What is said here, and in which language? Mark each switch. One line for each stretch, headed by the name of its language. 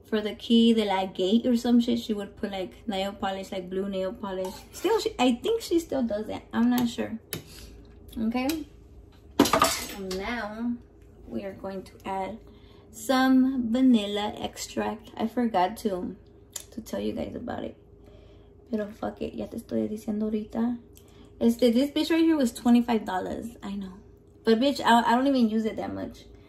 English: For the key, the, like, gate or some shit, she would put, like, nail polish, like, blue nail polish. Still, I think she still does that. I'm not sure. Okay? Now, we are going to add some vanilla extract. I forgot to tell you guys about it.
Spanish: Pero
English: fuck it,
Spanish: ya te estoy diciendo ahorita.
English: This bitch right here was $25. I know. But bitch, I don't even use it that much.